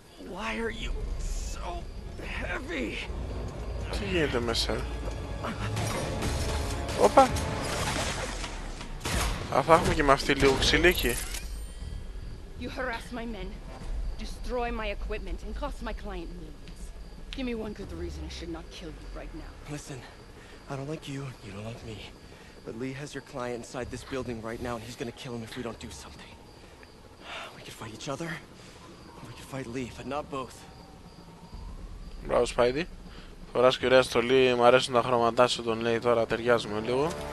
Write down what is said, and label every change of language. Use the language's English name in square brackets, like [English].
[English] Why are you so heavy? [Greek] Τι γίνεται μέσα. Όπα. Α, θα έχουμε και με αυτή λίγο ξυλίκι. [English] You harass my men, destroy my equipment, and cost my client millions. Give me one good reason I should not kill you right now. Listen, I don't like you, you don't like me. But Lee has your client inside this building right now, and he's gonna kill him if we don't do something. We could fight each other, or we could fight Lee, but not both. [Greek] Μπράβο, Σπάιντι. Φοράς και ωραία στο Lee, μου αρέσουν τα χρώματά σου, τον λέει τώρα, ταιριάζουμε λίγο.